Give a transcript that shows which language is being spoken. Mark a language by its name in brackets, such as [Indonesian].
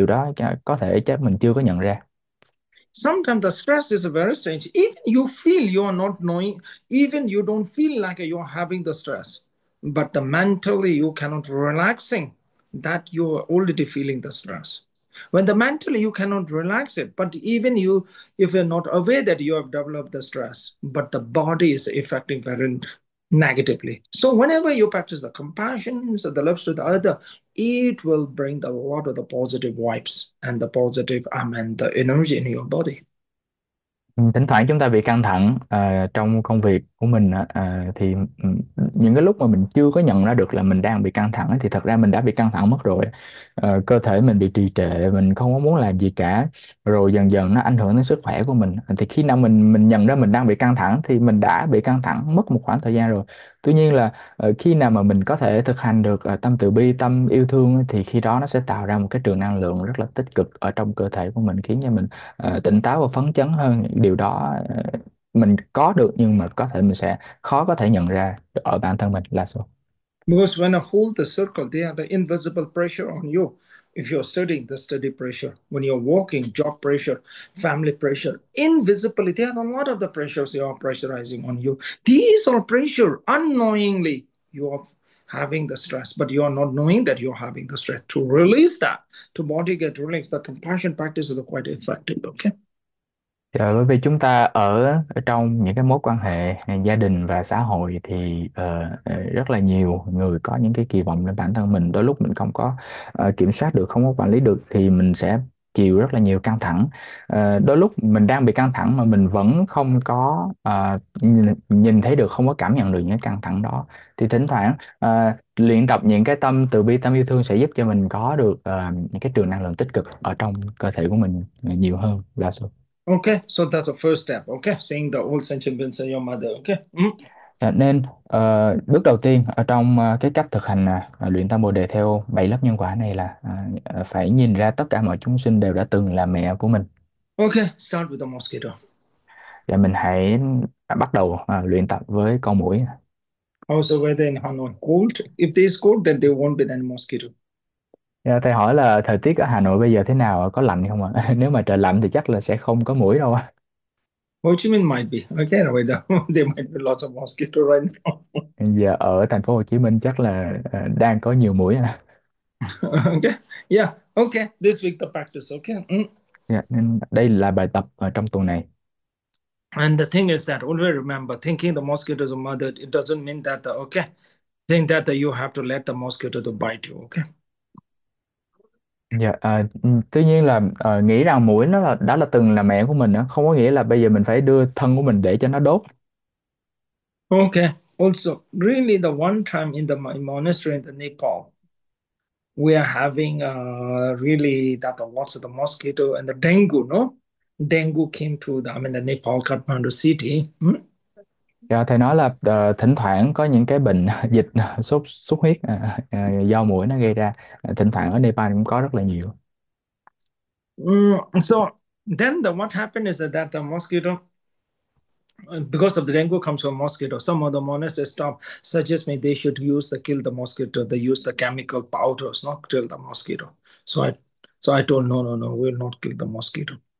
[Vietnamese] Điều đó có thể chắc mình chưa có nhận ra. [English] Sometimes the stress is very strange. Even you feel you are not knowing, even you don't feel like you are having the stress, but the mentally you cannot relaxing that you are already feeling the stress. When the mentally you cannot relax it, but even you, if you're not aware that you have developed the stress, but the body is affecting very negatively. So whenever you practice the compassion, so the love to the other, it will bring a lot of the positive vibes and the positive and the energy in your body. [Vietnamese] Thỉnh thoảng chúng ta bị căng thẳng trong công việc của mình thì những cái lúc mà mình chưa có nhận ra được là mình đang bị căng thẳng thì thật ra mình đã bị căng thẳng mất rồi. Cơ thể mình bị trì trệ, mình không có muốn làm gì cả, rồi dần dần nó ảnh hưởng đến sức khỏe của mình. Thì khi nào mình nhận ra mình đang bị căng thẳng thì mình đã bị căng thẳng mất một khoảng thời gian rồi. Tuy nhiên là khi nào mà mình có thể thực hành được tâm từ bi, tâm yêu thương thì khi đó nó sẽ tạo ra một cái trường năng lượng rất là tích cực ở trong cơ thể của mình, khiến cho mình tỉnh táo và phấn chấn hơn. Điều đó mình có được nhưng mà có thể mình sẽ khó có thể nhận ra ở bản thân mình là sao. [English] Because when I hold the circle, they are the invisible pressure on you. If you're studying, the study pressure. When you're working, job pressure, family pressure. Invisibly, there are a lot of the pressures they are pressurizing on you. These are pressure. Unknowingly, you are having the stress, but you are not knowing that you're having the stress. To release that, to body get released, the compassion practice is quite effective, okay? [Vietnamese] Bởi vì chúng ta ở trong những cái mối quan hệ gia đình và xã hội thì rất là nhiều người có những cái kỳ vọng lên bản thân mình, đôi lúc mình không có kiểm soát được, không có quản lý được thì mình sẽ chịu rất là nhiều căng thẳng. Đôi lúc mình đang bị căng thẳng mà mình vẫn không có nhìn thấy được, không có cảm nhận được những cái căng thẳng đó. Thì thỉnh thoảng luyện tập những cái tâm từ bi, tâm yêu thương sẽ giúp cho mình có được những cái trường năng lượng tích cực ở trong cơ thể của mình nhiều hơn đa số. [English] Okay, so that's the first step. Okay, seeing the old sentient beings and your mother. Okay. [Vietnamese] Nên bước đầu tiên ở trong cái cách thực hành luyện tâm bồ đề theo 7 lớp nhân quả này là phải nhìn ra tất cả mọi chúng sinh đều đã từng là mẹ của mình. [English] Okay, start with the mosquito. [Vietnamese] Và mình hãy bắt đầu luyện tập với con muỗi. [English] Also, whether in Hanoi cold, if it is cold, then there won't be any mosquito. [Vietnamese] Thầy hỏi là thời tiết ở Hà Nội bây giờ thế nào, có lạnh không ạ? Nếu mà trời lạnh thì chắc là sẽ không có muỗi đâu ạ. [English] Ho Chi Minh might be. Okay, wait there. There might be lots of mosquito right now. [Vietnamese] Giờ ở thành phố Hồ Chí Minh chắc là đang có nhiều muỗi à. [English] Okay. Yeah. Okay. This week the practice. Okay. [Vietnamese] Dạ, nên đây là bài tập ở trong tuần này. [English] And the thing is that always remember thinking the mosquito is a mother. It doesn't mean that the okay. Think that the, you have to let the mosquito to bite you. Okay. [Vietnamese] Dạ, tuy nhiên là nghĩ rằng muỗi nó đã là từng là mẹ của mình đó, không có nghĩa là bây giờ mình phải đưa thân của mình để cho nó đốt. [English] Okay, also, really, the one time in the my monastery in the Nepal, we are having really that the lots of the mosquito and the dengue, no? Dengue came to the, I mean, the Nepal Kathmandu city. [Vietnamese] Dạ, thầy nói là thỉnh thoảng có những cái bệnh dịch sốt xuất huyết do muỗi nó gây ra, thỉnh thoảng ở Nepal cũng có rất là nhiều. [English] So then the what happened is that the mosquito. Because of the dengue comes from mosquito, some of the monasteries stop suggest me they should use the kill the mosquito. They use the chemical powders, not kill the mosquito. So I told no, we'll not kill the mosquito.